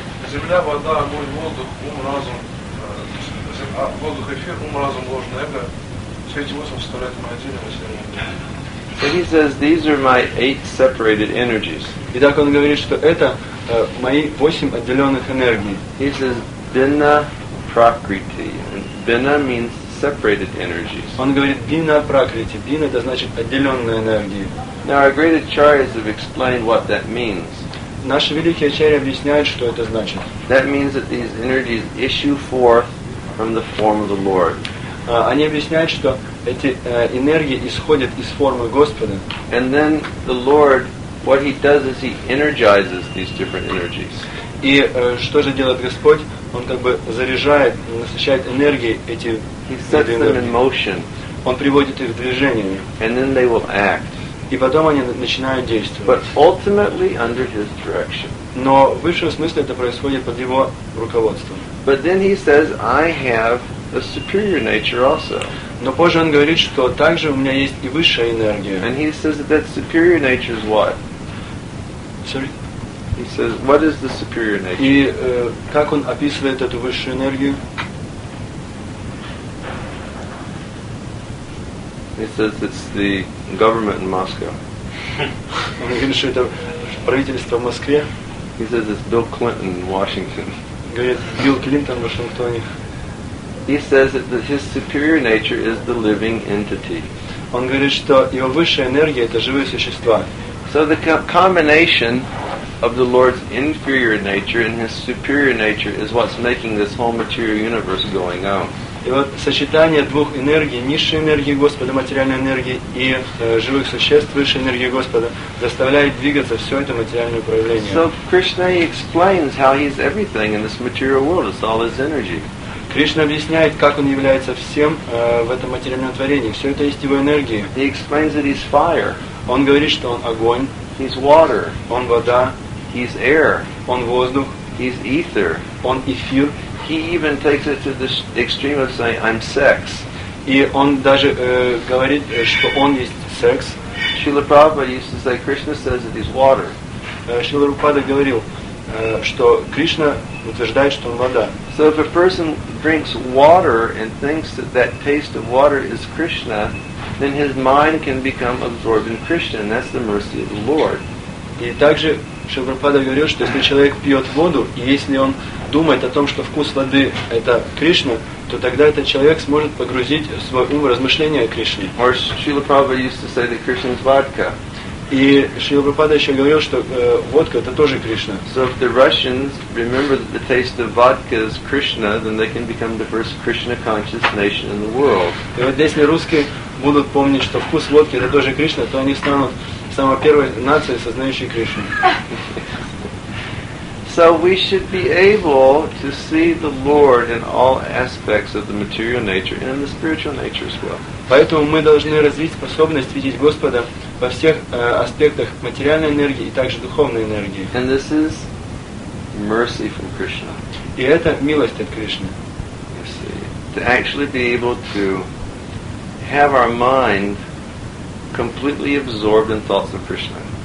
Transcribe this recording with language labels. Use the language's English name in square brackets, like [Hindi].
[Russian] Земля, вода, огонь, воздух, ум, разум. Воздух, эфир, ум, разум, ложное эго. Все эти восемь составляют мои отдельные. [English] So he says, these are my eight separated energies. [Russian] Итак, он говорит, что это мои восемь отделенных энергий. [English] He says, bina prakriti. Bina means separated energies. [Russian] Он говорит, bina prakriti. Bina, это значит отделенные энергии. [English] Now, our great acharyas have explained what that means. [Russian] Наши великие ачарьи объясняют, что это значит. [English] That means that these energies issue forth from the form of the Lord. [Russian] Они объясняют, что эти энергии исходят из формы Господа. [English] And then the Lord, what he does is he energizes these different energies. [Russian] И что же делает Господь? Он как бы заряжает, насыщает энергией эти энергии. [English] He sets them in motion. [Russian] Он приводит их в движение. [English] And then they will act. [Russian] И потом они начинают действовать. [English] But ultimately under his direction. [Russian] Но в высшем смысле это происходит под его руководством. [English] But then he says, I have a superior nature also. [Russian] Но позже он говорит, что также у меня есть и высшая энергия. [English] And he says that superior nature is what? Sorry? He says, what is the superior nature? [Russian] И как он описывает эту высшую энергию? [English] He says it's the government in Moscow. [Russian] Он говорит, что это правительство в Москве. [English] He says it's Bill Clinton in Washington. [Russian] Говорит, Билл Клинтон в Вашингтоне. [English] He says that his superior nature is the living entity. [Russian] Он говорит, что его высшая энергия это живые существа. [English] So the combination of the Lord's inferior nature and his superior nature is what's making this whole material universe going on. [Russian] И вот сочетание двух энергий, низшей энергии Господа, материальной энергии, и живых существ, высшей энергии Господа, заставляет двигаться все это материальное проявление. [English] So Krishna explains how he's everything in this material world. It's all his energy. [Russian] Кришна объясняет, как он является всем в этом материальном творении. Все это есть его энергии. [English] He explains that he's fire. [Russian] Он говорит, что он огонь. [English] He's water. [Russian] Он вода. [English] He's air. [Russian] Он воздух. [English] He's ether. [Russian] Он эфир. [English] He even takes it to the extreme of saying, "I'm sex." [Russian] И он даже говорит, что он есть секс. [English] Srila Prabhupada used to say, "Krishna says that he's water." [Russian] Srila Prabhupada говорил, что Кришна утверждает, что он вода. [English] So if a person drinks water and thinks that that taste of water is Krishna, then his mind can become absorbed in Krishna, and that's the mercy of the Lord. [Russian] И также Шрила Прабхупада говорил, что если человек пьет воду, и если он думает о том, что вкус воды – это Кришна, то тогда этот человек сможет погрузить свой ум в размышления о Кришне. [English] Or Srila Prabhupada used to say that Krishna is vodka. [Russian] И Шрила Прабхупада еще говорил, что водка – это тоже Кришна. [English] So if the Russians remember that the taste of vodka is Krishna, then they can become the first Krishna-conscious nation in the world. [Russian] И вот если русские будут помнить, что вкус водки – это тоже Кришна, то они станут самой первой нацией, сознающей Кришну. [English] So we should be able to see the Lord in all aspects of the material nature and in the spiritual nature as well. [Russian] Поэтому мы должны развить способность видеть Господа во всех аспектах материальной энергии и также духовной энергии. [English] And this is mercy from Krishna. [Russian] И это милость от Кришны. [English] You see, to actually be able to have our mind completely absorbed in thoughts of Krishna.